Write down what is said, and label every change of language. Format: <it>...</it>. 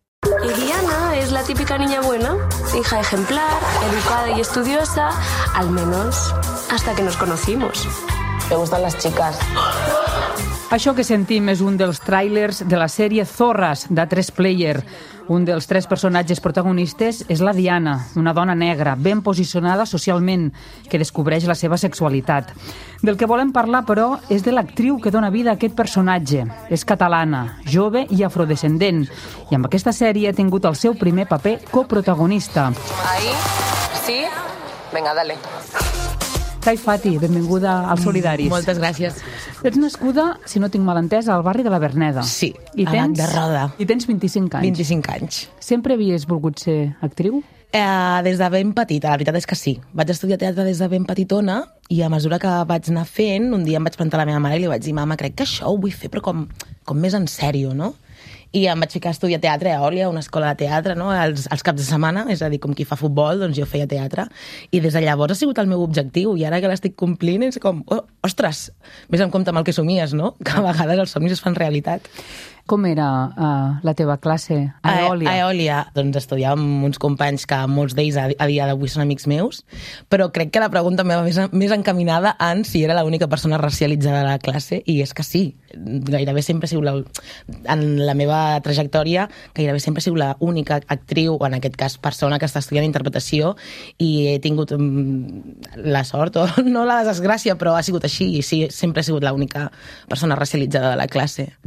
<es>I Diana és la típica niña buena, hija ejemplar, educada y estudiosa, al menos hasta que nos conocimos. Me gustan las chicas.</es> <ca>Això que sentim és un dels tràilers de la sèrie Zorras, d'A3Player. Un dels tres personatges protagonistes és la Diana, una dona negra, ben posicionada socialment, que descobreix la seva sexualitat. Del que volem parlar, però, és de l'actriu que dona vida a aquest personatge. És catalana, jove i afrodescendent. I amb aquesta sèrie ha tingut el seu primer paper coprotagonista.</ca> <es>Ahí, sí, venga, dale.</es> <ca>Tai Fati, benvinguda als Solidaris. Moltes gràcies. Ets nascuda, si no tinc mal entès, al barri de la Verneda. Sí, i a tens, de Roda. I tens 25 anys. 25 anys. Sempre havies volgut ser actriu? Des de ben petita, la veritat és que sí. Vaig estudiar teatre des de ben petitona i a mesura que vaig anar fent, un dia em vaig plantar la meva mare i li vaig dir «Mama, crec que això ho vull fer, però com més en sèrio, no?» I em vaig ficar a estudiar teatre a Òlia, una escola de teatre, no? Els caps de setmana, és a dir, com qui fa futbol, doncs jo feia teatre. I des de llavors ha sigut el meu objectiu, i ara que l'estic complint és com, oh, ostres, més en compte amb el que somies, no? Que a vegades els somnis es fan realitat. Com era la teva classe a Eòlia? A Eòlia, doncs estudiava amb uns companys que molts d'ells a dia d'avui són amics meus, però crec que la pregunta meva més encaminada en si era l'única persona racialitzada de la classe, i és que sí, gairebé sempre he sigut en la meva trajectòria, gairebé sempre he sigut l'única actriu, o en aquest cas persona que està estudiant interpretació, i he tingut la sort, o no la desgràcia, però ha sigut així, i sí, sempre he sigut l'única persona racialitzada de la classe.</ca>